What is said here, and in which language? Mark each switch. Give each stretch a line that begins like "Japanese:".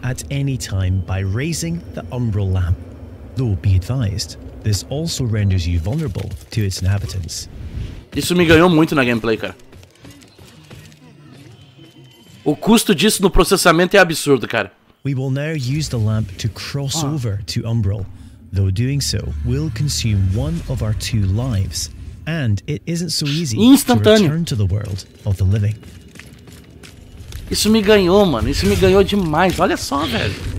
English: At any time by raising the umbral lamp. Though be advised, this also renders you vulnerable to its inhabitants.
Portuguese: Isso me ganhou muito na gameplay, cara. O custo disso no processamento é absurdo, cara.
English: We will now use the lamp to cross over to Umbral. Though doing so will consume one of our two lives, and it isn't so easy to return to the world of the living.
Portuguese: Isso me ganhou, mano. Isso me ganhou demais. Olha só, velho.